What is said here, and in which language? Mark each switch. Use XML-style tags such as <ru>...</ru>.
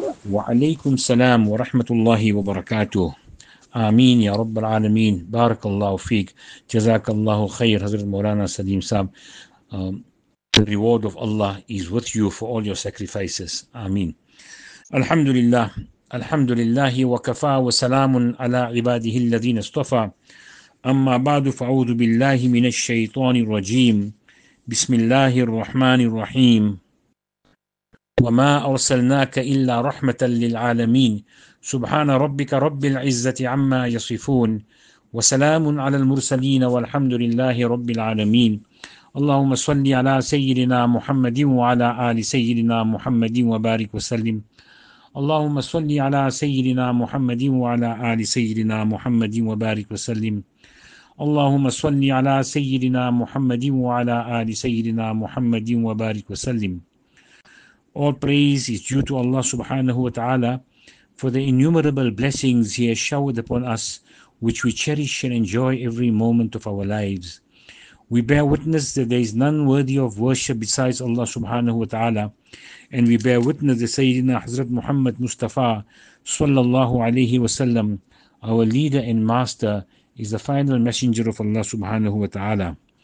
<ar>وعليكم السلام ورحمة الله وبركاته. آمين يا رب العالمين. بارك الله فيك، جزاك الله خير.</ar> <en>حضرت مولانا سليم صاحب، the reward of Allah is with you for all your sacrifices.</en> <ar>آمين. الحمد لله، الحمد لله وكفى وسلام على عباده الذين اصطفى. أما بعد، فأعوذ بالله من الشيطان الرجيم. بسم الله الرحمن الرحيم. وما أرسلناك إلا رحمة للعالمين. سبحان ربك رب العزة عما يصفون، وسلام على المرسلين، والحمد لله رب العالمين. اللهم صل على سيدنا محمد وعلى آل سيدنا محمد وبارك وسلم. اللهم صل على سيدنا محمد وعلى آل سيدنا محمد وبارك وسلم. اللهم صل على سيدنا محمد وعلى آل سيدنا محمد وبارك وسلم.</ar> <en>All praise is due to Allah subhanahu wa ta'ala for the innumerable blessings He has showered upon us, which we cherish and enjoy every moment of our lives. We bear witness that there is none worthy of worship besides Allah subhanahu wa ta'ala, and we bear witness that Sayyidina Hazrat Muhammad Mustafa sallallahu alayhi wa sallam, our leader and master, is the final messenger of Allah subhanahu wa ta'ala.</en>